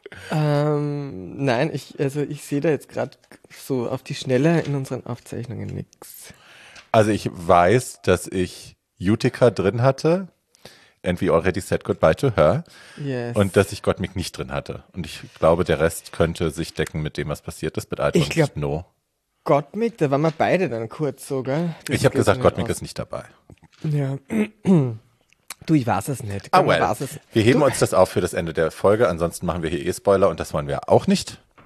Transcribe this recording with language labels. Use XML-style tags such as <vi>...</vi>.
<de>Nein, ich sehe da jetzt gerade so auf die Schnelle in unseren Aufzeichnungen nichts. Also ich weiß, dass ich Utica drin hatte.</de> <en>And we already said goodbye to her. Yes.</en> <de>Und dass ich Gottmik nicht drin hatte. Und ich glaube, der Rest könnte sich decken mit dem, was passiert ist. Mit Alter ich glaub, und No. Gottmik, da waren wir beide dann kurz sogar. Ich habe gesagt, Gottmik ist nicht dabei. Ja. Du, ich weiß es nicht.</de> <en>Ah, well.</en> <de>Wir heben uns das auf für das Ende der Folge. Ansonsten machen wir hier Spoiler und das wollen wir auch nicht.</de>